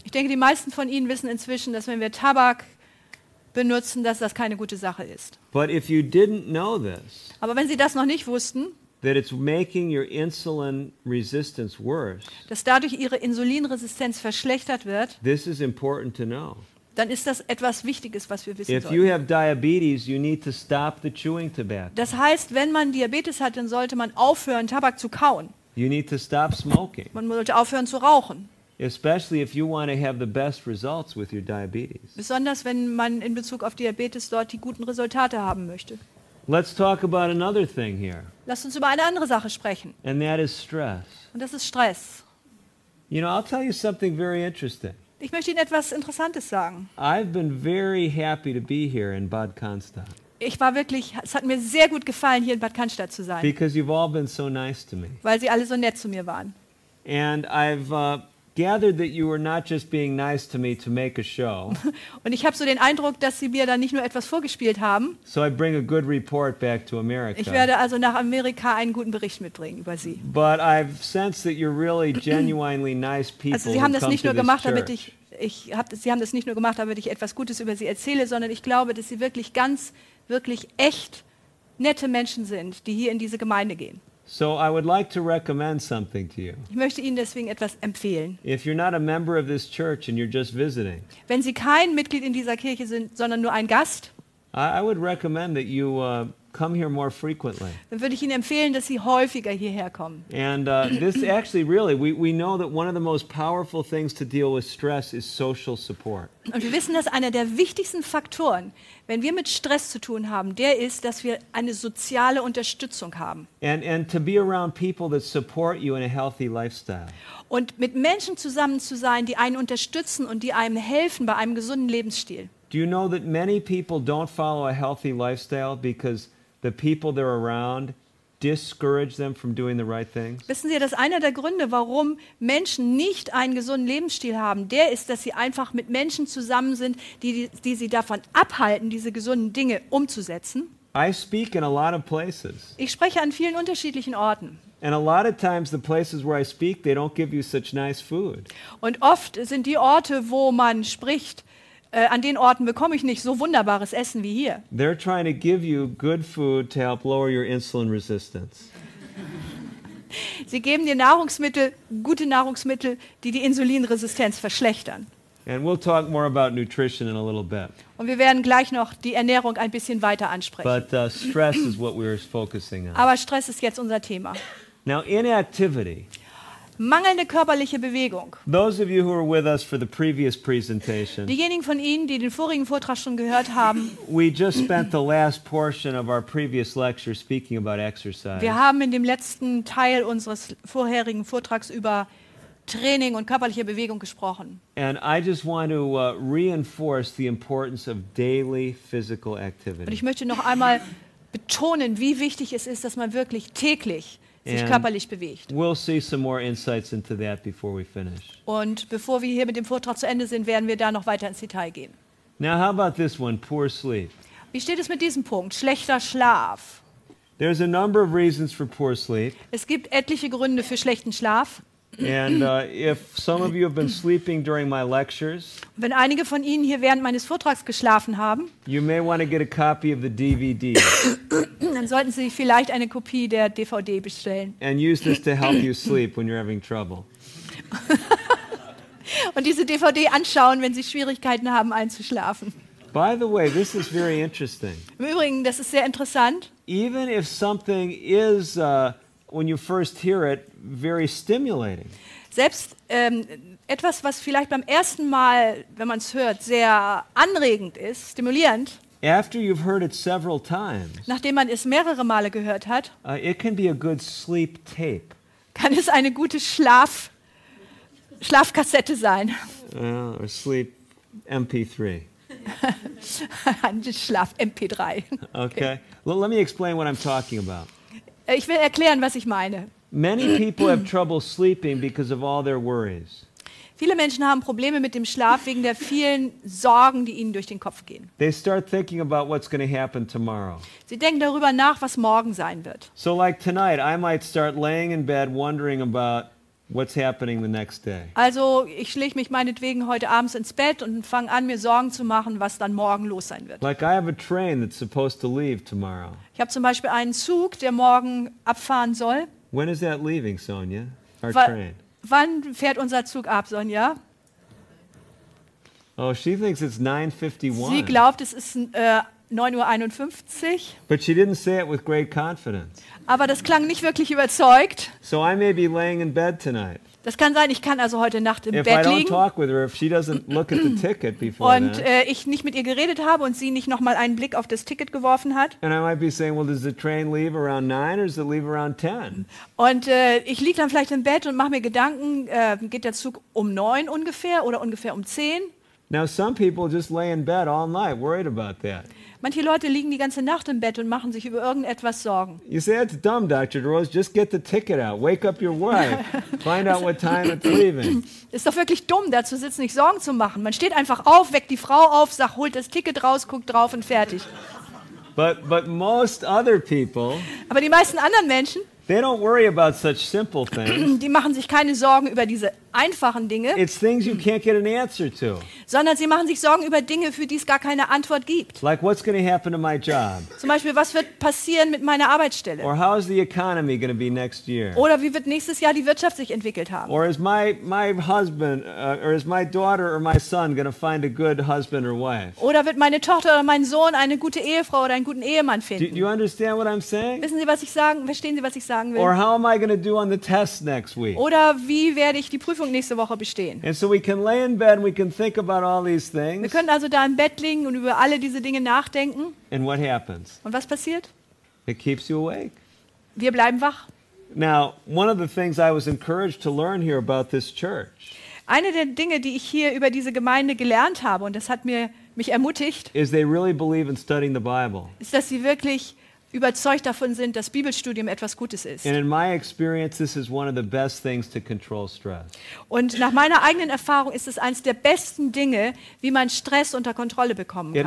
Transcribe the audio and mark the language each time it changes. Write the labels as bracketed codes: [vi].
[de] Ich denke, die meisten von Ihnen wissen inzwischen, dass wenn wir Tabak benutzen, dass das keine gute Sache ist. [en] But if you didn't know this. [de] Aber wenn Sie das noch nicht wussten, [en] that it's making your insulin resistance worse. [de] Dass dadurch Ihre Insulinresistenz verschlechtert wird. [en] This is important to know. [de] Dann ist das etwas Wichtiges, was wir wissen [en] if [de] sollten. [en] If you have diabetes, you need to stop the chewing tobacco. [de] Das heißt, wenn man Diabetes hat, dann sollte man aufhören, Tabak zu kauen. [en] You need to stop smoking. [de] Man sollte aufhören zu rauchen. [en] Especially if you want to have the best results with your diabetes. [de] Besonders wenn man in Bezug auf Diabetes dort die guten Resultate haben möchte. [en] Let's talk about another thing here. [de] Lass uns über eine andere Sache sprechen. [en] And that is stress. [de] Und das ist Stress. [en] You know, I'll tell you something very interesting. [de] Ich möchte Ihnen etwas Interessantes sagen. [en] I've been very happy to be here in Bad Cannstatt. [de] Ich war wirklich, es hat mir sehr gut gefallen, hier in Bad Cannstatt zu sein. [en] Because you've all been so nice to me. [de] Weil Sie alle so nett zu mir waren. [en] And I've gathered that you were not just being nice to me to make a show. [de] Und ich habe so den Eindruck, dass Sie mir da nicht nur etwas vorgespielt haben. [en] So I bring a good report back to America. [de] Ich werde also nach Amerika einen guten Bericht mitbringen über Sie. [en] But I've sensed that you're really genuinely nice people. [de] Also Sie haben das nicht nur gemacht, damit Sie haben das nicht nur gemacht, damit ich etwas Gutes über Sie erzähle, sondern ich glaube, dass Sie wirklich ganz, wirklich echt nette Menschen sind, die hier in diese Gemeinde gehen. [en] So I would like to recommend something to you. [de] Ich möchte Ihnen deswegen etwas empfehlen. [en] If you're not a member of this church and you're just visiting. [de] Wenn Sie kein Mitglied in dieser Kirche sind, sondern nur ein Gast. [en] I would recommend that you come here more frequently. [de] Dann würde ich Ihnen empfehlen, dass Sie häufiger hierher kommen. [en] And this actually really we know that one of the most powerful things to deal with stress is social support. [de] Und wir wissen, dass einer der wichtigsten Faktoren, wenn wir mit Stress zu tun haben, der ist, dass wir eine soziale Unterstützung haben. [en] And to be around people that support you in a healthy lifestyle. [de] Und mit Menschen zusammen zu sein, die einen unterstützen und die einem helfen bei einem gesunden Lebensstil. [en] Do you know that many people don't follow a healthy lifestyle because the people they're around discourage them from doing the right things? [de] Wissen Sie, dass einer der Gründe, warum Menschen nicht einen gesunden Lebensstil haben, der ist, dass sie einfach mit Menschen zusammen sind, die sie davon abhalten, diese gesunden Dinge umzusetzen? [en] I speak in a lot of places. [de] Ich spreche an vielen unterschiedlichen Orten. [en] And a lot of times the places where I speak, they don't give you such nice food. [de] Und oft sind die Orte, wo man spricht, An den Orten bekomme ich nicht so wunderbares Essen wie hier. [en] They're trying to give you good food to help lower your insulin resistance. [de] Sie geben dir Nahrungsmittel, gute Nahrungsmittel, die die Insulinresistenz verschlechtern. [en] And we'll talk more about nutrition in a little bit. [de] Und wir werden gleich noch die Ernährung ein bisschen weiter ansprechen. [en] But stress is what we're focusing on. [de] Aber Stress ist jetzt unser Thema. [en] Now inactivity. [de] Mangelnde körperliche Bewegung. [en] Those of you who were with us for the previous presentation. [de] Diejenigen von Ihnen, die den vorigen Vortrag schon gehört haben. [en] We just spent the last portion of our previous lecture speaking about exercise. [de] Wir haben in dem letzten Teil unseres vorherigen Vortrags über Training und körperliche Bewegung gesprochen. [en] And I just want to reinforce the importance of daily physical activity. [de] Und ich möchte noch einmal betonen, wie wichtig es ist, dass man wirklich täglich sich körperlich bewegt. [en] We'll see some more insights into that before we finish. [de] Und bevor wir hier mit dem Vortrag zu Ende sind, werden wir da noch weiter ins Detail gehen. [en] Now how about this one, poor sleep? [de] Wie steht es mit diesem Punkt? Schlechter Schlaf. [en] There's a number of reasons for poor sleep. [de] Es gibt etliche Gründe für schlechten Schlaf. [en] And if some of you have been sleeping during my lectures, [de] wenn einige von Ihnen hier während meines Vortrags geschlafen haben, [en] you may want to get a copy of the DVD. [de] Dann sollten Sie vielleicht eine Kopie der DVD bestellen. [en] And use this to help you sleep when you're having trouble. [de] Und diese DVD anschauen, wenn Sie Schwierigkeiten haben einzuschlafen. [en] By the way, this is very interesting. [de] Im Übrigen, das ist sehr interessant. [en] Even if something is when you first hear it, very stimulating. [de] Selbst etwas, was vielleicht beim ersten Mal, wenn man es hört, sehr anregend ist, stimulierend. [en] After you've heard it several times. [de] Nachdem man es mehrere Male gehört hat. [en] It can be a good sleep tape. [de] Kann es eine gute Schlafkassette sein. [en] Or sleep MP3. [de] Ein Schlaf MP3. [en] Okay. Well, let me explain what I'm talking about. [de] Ich will erklären, was ich meine. [en] Many people have trouble sleeping because of all their worries. [de] Viele Menschen haben Probleme mit dem Schlaf wegen der vielen Sorgen, die ihnen durch den Kopf gehen. [en] They start thinking about what's going to happen tomorrow. [de] Sie denken darüber nach, was morgen sein wird. [en] So like tonight, I might start laying in bed wondering about what's happening the next day. [de] Also, ich schlich mich meinetwegen heute abends ins Bett und fange an, mir Sorgen zu machen, was dann morgen los sein wird. [en] Like I have a train that's supposed to leave tomorrow. [de] Ich habe zum Beispiel einen Zug, der morgen abfahren soll. [en] When is that leaving, Sonja? Our train. [de] Wann fährt unser Zug ab, Sonja? [en] Oh, she thinks it's 9:51. [de] Sie glaubt, es ist 9:51. [en] But she didn't say it with great confidence. [de] Aber das klang nicht wirklich überzeugt. [en] So I may be laying in bed tonight. [de] Das kann sein, ich kann also heute Nacht im Bett liegen. [en] If I don't talk with her, if she doesn't look at the ticket before [de] und ich nicht mit ihr geredet habe und sie nicht nochmal einen Blick auf das Ticket geworfen hat. [en] And I might be saying, well, does the train leave around 9 or does it leave around 10? [de] Und ich liege dann vielleicht im Bett und mache mir Gedanken, geht der Zug um 9 ungefähr oder ungefähr um 10? [en] Now some people just lay in bed all night, worried about that. [de] Manche Leute liegen die ganze Nacht im Bett und machen sich über irgendetwas Sorgen. [en] You say it's dumb, Dr. DeRose. Just get the ticket out. Wake up your wife. Find out what time it's leaving. [de] Ist doch wirklich dumm, da zu sitzen, sich Sorgen zu machen. Man steht einfach auf, weckt die Frau auf, sagt, holt das Ticket raus, guckt drauf und fertig. [en] But most other people. [de] Aber die meisten anderen Menschen. [en] They don't worry about such simple things. [de] Die machen sich keine Sorgen über diese einfachen Dinge. [en] It's things you can't get an answer to. [de] Sondern sie machen sich Sorgen über Dinge, für die es gar keine Antwort gibt. [en] Like what's going to happen to my job? [de] Zum Beispiel, was wird passieren mit meiner Arbeitsstelle? [en] Or how is the economy going to be next year? [de] Oder wie wird nächstes Jahr die Wirtschaft sich entwickelt haben? [en] Or is my husband or is my daughter or my son going to find a good husband or wife? [de] Oder wird meine Tochter oder mein Sohn eine gute Ehefrau oder einen guten Ehemann finden? [en] Do you understand what I'm saying? [de] Wissen Sie, was ich sagen? Verstehen Sie, was ich sagen will? [en] Or how am I going to do on the test next week? [de] Oder wie werde ich die Prüfung nächste Woche bestehen? [en] And so we can lay in bed and we can think about all these things. [de] Wir können also da im Bett liegen und über alle diese Dinge nachdenken. [en] And what happens? [de] Und was passiert? [en] It keeps you awake. [de] Wir bleiben wach. [en] Now, one of the things I was encouraged to learn here about this church. [de] Eine der Dinge, die ich hier über diese Gemeinde gelernt habe und das hat mich ermutigt. [en] Is they really believe in studying the Bible. [de] Ist, dass sie wirklich überzeugt davon sind, dass Bibelstudium etwas Gutes ist. [en] And in my experience, this is one of the best things to control stress. [de] Und nach meiner eigenen Erfahrung ist es eines der besten Dinge, wie man Stress unter Kontrolle bekommen kann.